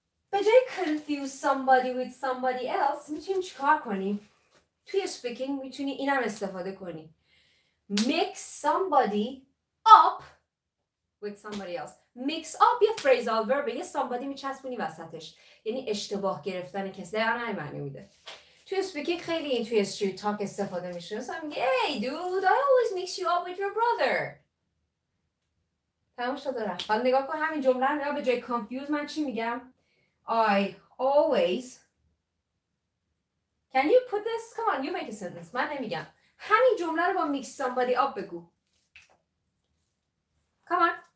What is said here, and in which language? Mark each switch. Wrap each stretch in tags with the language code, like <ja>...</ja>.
<fa>به جای</fa> <en>confuse somebody with somebody else</en> <fa>میتونیم چیکار کنیم؟ توی speaking میتونی اینم استفاده کنی.</fa> <en>Mix somebody up with somebody else.</en> <fa>Mix up یه phrasal verb، یه somebody میچسبونی وسطش. یعنی اشتباه گرفتن کسی در نهی معنی میده. توی speaking خیلی این توی street talk استفاده میشونه.</fa> <en>So I'm like, hey dude, I always mix you up with your brother.</en> <fa>تمام شده رفت. حالا نگاه کن همین جمله رو به جای confuse من چی میگم؟</fa> <en>I always... Can you put this? Come on, you make a sentence.</en> <fa>من نمیگم. همین جمله رو با</fa> <en>mix somebody up</en> <fa>بگو.</fa> <en>Come on.</en>